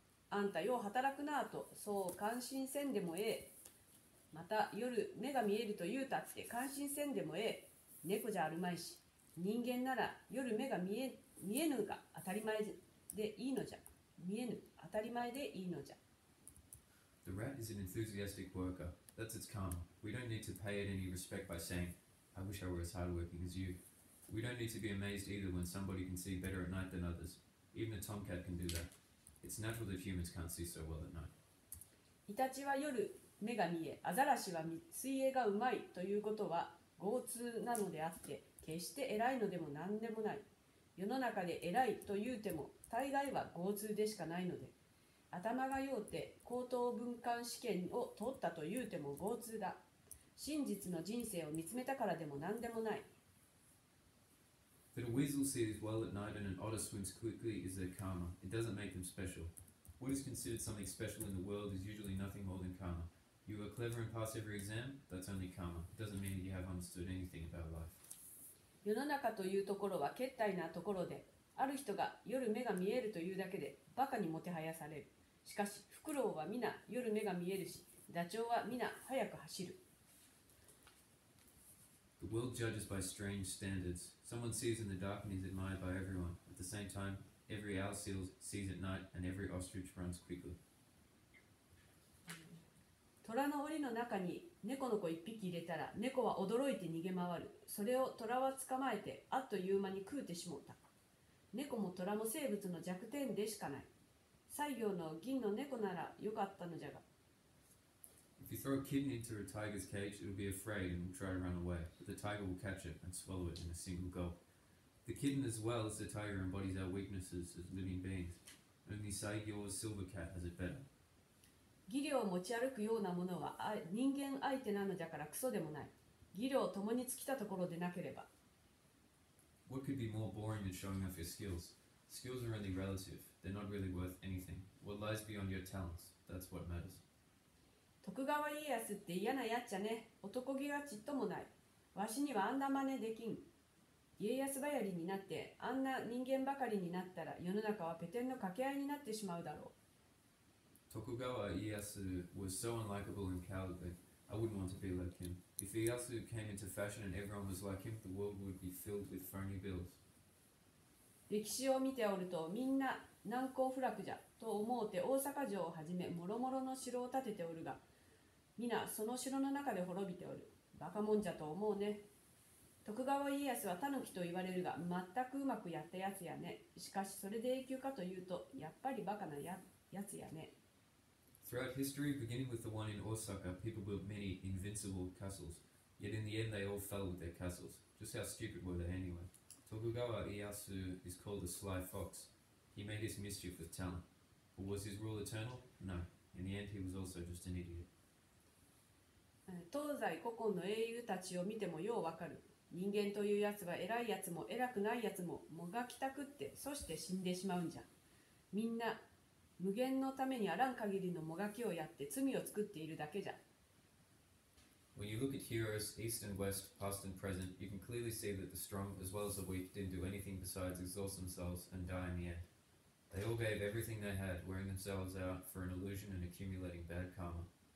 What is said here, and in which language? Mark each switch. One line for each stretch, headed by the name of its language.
Japanese: あんたよう働くなぁと、そう感心せんでもええ。また夜目が見えると言うたって感心せんでもええ。猫じゃあるまいし。人間なら夜目が見えぬが当たり前でいいのじゃ。見えぬ当たり前でいいのじゃ。
English: The rat is an enthusiastic worker. That's its karma. We don't need to pay it any respect by saying, I wish I were as hardworking as you. We don't need to be amazed either when somebody can see better at night than others. Even a tomcat can do that. It's natural that humans can't see so well at night.
Japanese: イタチは夜目が見え、アザラシは水泳がうまいということは、豪通なのであって、決して偉いのでも何でもない。世の中で偉いと言うても、大概は豪通でしかないので。頭が良うて高等文官試験を取ったと言うても豪通だ。真実の人生を見つめたからでも何でもない。
English: That a weasel sees well at night and an otter swims quickly is their karma. It doesn't make them special. What is considered something special in the world is usually nothing more than karma. You are clever and pass every exam? That's only karma. It doesn't mean that you have understood anything about life.
Japanese: 世の中というところは懈怠なところで、ある人が夜目が見えるというだけでバカにもてはやされる。しかし、フクロウは皆夜目が見えるし、ダチョウは皆早く走る。
English: The world judges by strange standards. Someone sees in the dark and is admired by everyone. At the same time, every owl sees at night and every ostrich runs quickly.
Japanese: 虎の檻の中に猫の子一匹入れたら、猫は驚いて逃げ回る。それを虎は捕まえて、あっという間に食うてしもうた。猫も虎も生物の弱点でしかない。西行の銀の猫ならよかったのじゃが。
English: If you throw a kitten into a tiger's cage, it'll be afraid and will try to run away, but the tiger will catch it and swallow it in a single gulp. The kitten as well as the tiger embodies our weaknesses as living beings. Only Saigyo's silver cat has it better.
Japanese: 技量を持ち歩くようなものは人間相手なのだからクソでもない。技量を共に尽きたところでなければ。
English: What could be more boring than showing off your skills? Skills are only relative. They're not really worth anything. What lies beyond your talents? That's what matters.
Japanese: 徳川家康って嫌なやっちゃね。男気がちっともない。わしにはあんな真似できん。家康ばやりになってあんな人間ばかりになったら世の中はペテンの掛け合いになってしまうだろう。
English: 徳川家康 was so unlikable and cowardly. I wouldn't want to be like him. If Ieyasu came into fashion and everyone was like him, the world would be filled with phony bills.
Japanese: 歴史を見ておるとみんな難攻不落じゃと思うて大阪城をはじめもろもろの城を建てておるが、みなその城の中で滅びておる。バカもんじゃと思うね。徳川家康はタヌキと言われるが、全くうまくやったやつやね。しかしそれで永久かというと、やっぱりバカな やつやね。
English: Throughout history, beginning with the one in Osaka, people built many invincible castles. Yet in the end, they all fell with their castles. Just how stupid were they anyway? Tokugawa Ieyasu is called the Sly Fox. He made his mischief with talent. But was his rule eternal? No. In the end, he was also just an idiot.
Japanese: 東西古今の英雄たちを見てもようわかる。人間というやつは偉いやつも偉くないやつももがきたくって、そして死んでしまうんじゃ。みんな無限のためにあらん限りのもがきをやって罪を作っているだけじゃ。
English: When you look at heroes, east and west, past and present, you can clearly see that the strong as well as the weak didn't do anything besides exhaust themselves and die in the end. They all gave everything they had, wearing themselves out for an illusion and accumulating bad karma.